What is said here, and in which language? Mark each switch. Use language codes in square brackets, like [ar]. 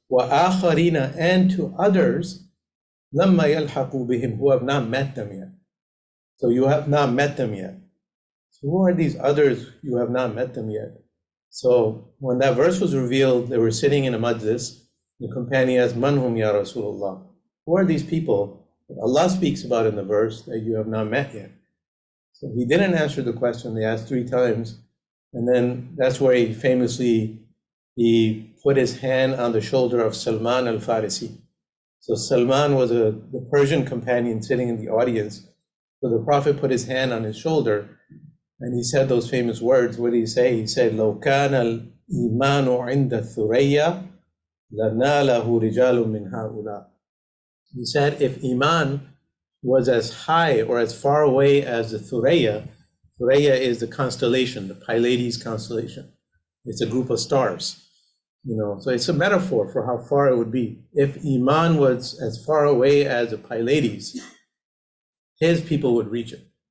[ar] وآخرين [en] and to others [ar] لما يلحقوا بهم, [en] who have not met them yet. So you have not met them yet. So who are these others? You have not met them yet. So when that verse was revealed, they were sitting in a majlis. The companion asked, [ar] من هم يا رسول الله? [en] Who are these people that Allah speaks about in the verse that you have not met yet? So he didn't answer the question. They asked three times. And then that's where he famously, he put his hand on the shoulder of Salman al-Farisi. So Salman was the Persian companion sitting in the audience. So the Prophet put his hand on his shoulder and he said those famous words. What did he say? He said, [ar] لو كان الإيمان عند ثريا لناله رجال من هؤلاء. [en] He said, if Iman was as high or as far away as the Thuraya, Thuraya is the constellation, the Pylades constellation. It's a group of stars, you know. So it's a metaphor for how far it would be. If Iman was as far away as the Pylades, his people would reach it.